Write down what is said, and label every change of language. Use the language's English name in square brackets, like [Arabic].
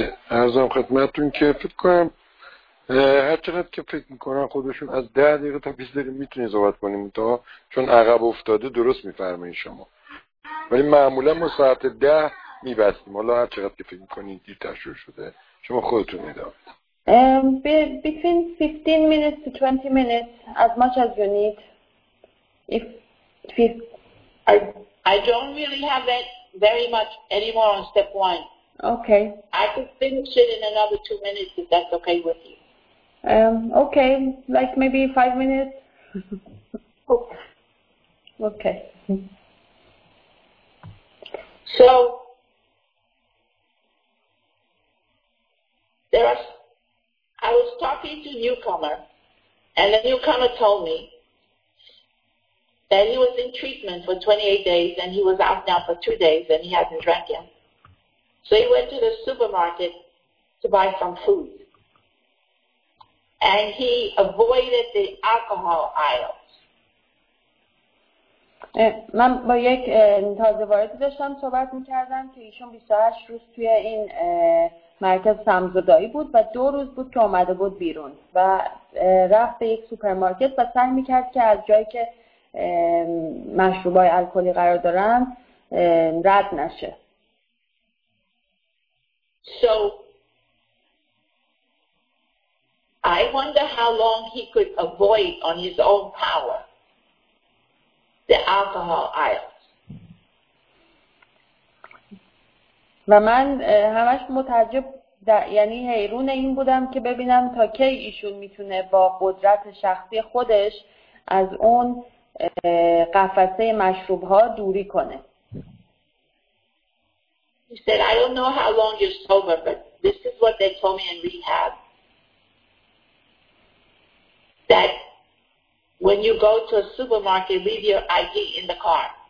[Persian] عرضم خدمتون که فکر کنم هر چقدر که فکر میکنم خودشون از 10 دقیقه تا 20 دقیقه میتونی صحبت کنیم، تا چون عقب افتاده درست میفرمایید شما، ولی معمولا ما ساعت 10 میبستیم. حالا هر چقدر که فکر میکنید دیرتر شروع شده، شما خودتون میدونید. [English] Between 15 minutes to 20 minutes, as much as you need. If I don't really have it very much anymore on step one. Okay. I could finish it in another 2 minutes if that's okay with you. Okay, like maybe 5 minutes. Okay. Okay. So there are. I was talking to a newcomer, and the newcomer told me that he was in treatment for 28 days, and he was out now for 2 days, and he hadn't drank yet. So he went to the supermarket to buy some food, and he avoided the alcohol aisles. [Persian] من با یک تازه واردی داشتم صحبت میکردم که ایشون 28 روز توی این مرکز سمزدائی بود و 2 روز بود که آمده بود بیرون و رفت به یک سوپرمارکت و سعی میکرد که از جایی که مشروبای الکلی قرار دارن رد نشه. [English] So I wonder how long he could avoid on his own power the alcohol aisle. [Persian] و من همش متعجب در، یعنی حیرون این بودم که ببینم تا کی ایشون میتونه با قدرت شخصی خودش از اون قفسه مشروب ها دوری کنه. [English] He said, I don't know how long you're sober, but this is what they told me in rehab. That when you go to a supermarket, leave your ID in the car.